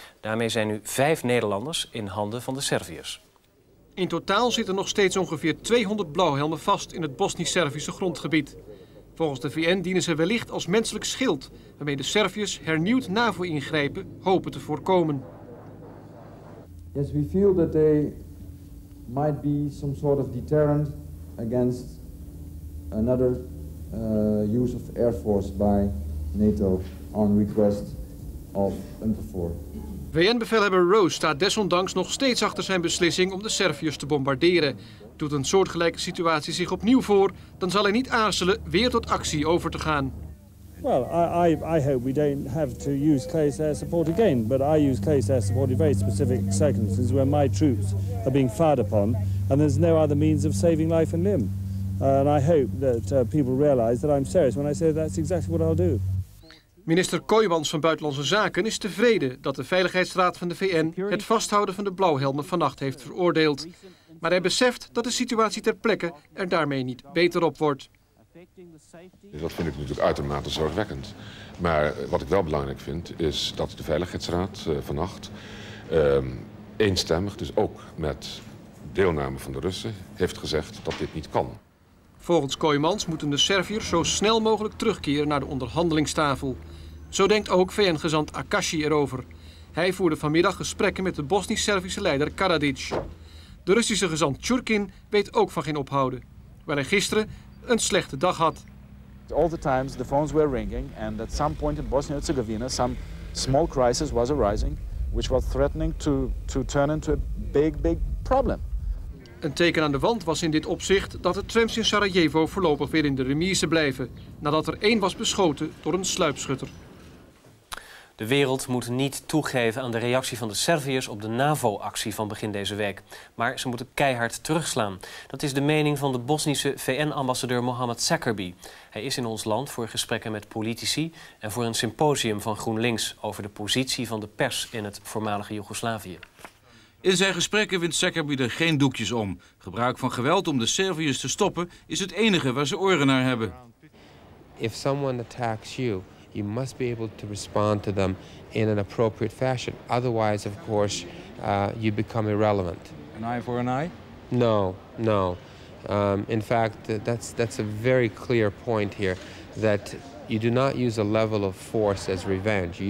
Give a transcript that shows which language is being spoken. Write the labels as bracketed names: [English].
[Dutch] Daarmee zijn nu 5 Nederlanders in handen van de Serviërs. In totaal zitten nog steeds ongeveer 200 blauwhelmen vast in het Bosnisch-Servische grondgebied. Volgens de VN dienen ze wellicht als menselijk schild, waarmee de Serviërs hernieuwd NAVO-ingrijpen hopen te voorkomen. [English] Yes, we feel that they might be some sort of deterrent against another use of air force by NATO on request of UNPROFOR. [Dutch] VN-bevelhebber Rose staat desondanks nog steeds achter zijn beslissing om de Serviërs te bombarderen. Doet een soortgelijke situatie zich opnieuw voor, dan zal hij niet aarzelen weer tot actie over te gaan. [English] Well, I hope we don't have to use close air support again, but I use close air support in very specific circumstances where my troops are being fired upon and there's no other means of saving life and limb. And I hope that people realize that I'm serious when I say that's exactly what I'll do. [Dutch] Minister Kooijmans van Buitenlandse Zaken is tevreden dat de Veiligheidsraad van de VN het vasthouden van de blauwhelmen vannacht heeft veroordeeld. Maar hij beseft dat de situatie ter plekke er daarmee niet beter op wordt. Dat vind ik natuurlijk uitermate zorgwekkend. Maar wat ik wel belangrijk vind is dat de Veiligheidsraad vannacht eenstemmig, dus ook met deelname van de Russen, heeft gezegd dat dit niet kan. Volgens Kooijmans moeten de Serviërs zo snel mogelijk terugkeren naar de onderhandelingstafel. Zo denkt ook VN-gezant Akashi erover. Hij voerde vanmiddag gesprekken met de Bosnisch-Servische leider Karadzic. De Russische gezant Churkin weet ook van geen ophouden, terwijl hij gisteren een slechte dag had. [English] All the times the phones were ringing and at some point in Bosnia-Herzegovina some small crisis was arising which was threatening to turn into a big problem. [Dutch] Een teken aan de wand was in dit opzicht dat de trams in Sarajevo voorlopig weer in de remise blijven, nadat er één was beschoten door een sluipschutter. De wereld moet niet toegeven aan de reactie van de Serviërs op de NAVO-actie van begin deze week. Maar ze moeten keihard terugslaan. Dat is de mening van de Bosnische VN-ambassadeur Mohamed Zakerbi. Hij is in ons land voor gesprekken met politici en voor een symposium van GroenLinks over de positie van de pers in het voormalige Joegoslavië. In zijn gesprekken wint Zakerbi er geen doekjes om. Gebruik van geweld om de Serviërs te stoppen is het enige waar ze oren naar hebben. [English] If someone attacks you, you must be able to respond to them in an appropriate fashion. Otherwise, of course, you become irrelevant. An eye for an eye? No, no. In fact, that's a very clear point here that you do not use a level of force as revenge.